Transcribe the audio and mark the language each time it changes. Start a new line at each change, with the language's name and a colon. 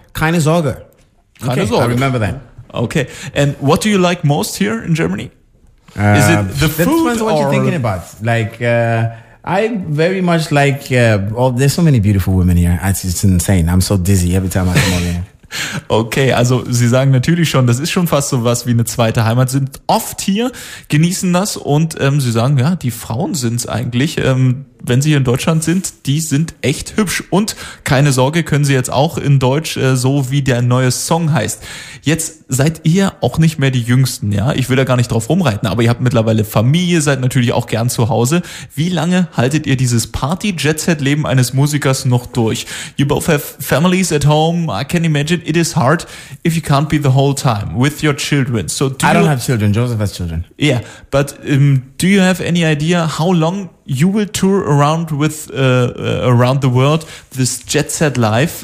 German: Keine Sorge. Okay, keine Sorge.
English: I remember that. Okay. And what do you like most here in Germany? Is it the food? That depends on what you're thinking about. I very much like, there's so many beautiful women here. It's insane. I'm so dizzy every time I come over here.
German: Okay, also Sie sagen natürlich schon, das ist schon fast so was wie eine zweite Heimat, sind oft hier, genießen das und Sie sagen, ja, die Frauen sind es eigentlich, wenn Sie hier in Deutschland sind, die sind echt hübsch und keine Sorge, können Sie jetzt auch in Deutsch, so wie der neue Song heißt. Jetzt seid ihr auch nicht mehr die Jüngsten, ja, ich will da gar nicht drauf rumreiten, aber ihr habt mittlerweile Familie, seid natürlich auch gern zu Hause. Wie lange haltet ihr dieses Party-Jet-Set-Leben eines Musikers noch durch?
English: You both have families at home, I can imagine it is hard if you can't be the whole time with your children. So I don't have children, Joseph has children. Yeah, but do you have any idea how long you will tour around with around the world, this jet set life?